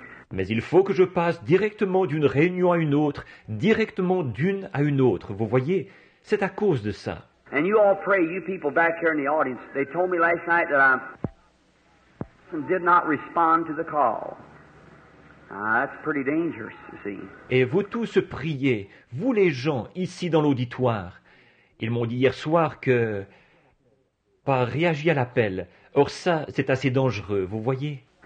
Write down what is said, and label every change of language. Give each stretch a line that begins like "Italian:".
French: Mais il faut que je passe directement d'une réunion à une autre, directement d'une à une autre. Vous voyez, c'est à cause de ça.
English: And you all pray, you people back here in the audience, they told me last night that I'm did not respond to the call. That's pretty dangerous, you see.
French: Et vous tous priez, vous les gens, ici dans l'auditoire. Ils m'ont dit hier soir que... pas réagi à l'appel. Or ça, c'est assez dangereux, vous voyez.